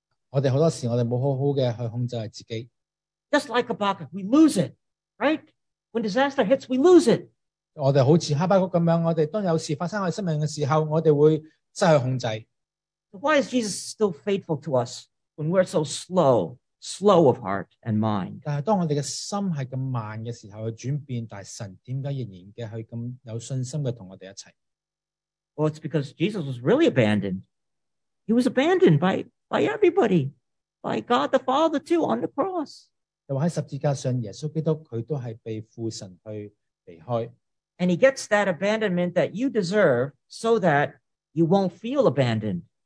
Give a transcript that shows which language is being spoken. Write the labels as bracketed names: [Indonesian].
[Cantonese] 我哋好多时我哋冇好好嘅去控制自己。 [English] Just like Habakkuk, we lose it, right? When disaster hits, we lose it. [Cantonese] 我哋好似哈巴谷咁样，我哋当有事发生喺生命嘅时候，我哋会失去控制。 [English] Why is Jesus still faithful to us when we're so slow of heart and mind? [Cantonese] 但系当我哋嘅心系咁慢嘅时候去转变，但系神点解仍然嘅去咁有信心嘅同我哋一齐？ [English] Well, it's because Jesus was really abandoned. He was abandoned by everybody, by God the Father too on the cross. [Cantonese] 就话喺十字架上，耶稣基督佢都系被父神去离开。 [English] And he gets that abandonment that you deserve so that you won't feel abandoned.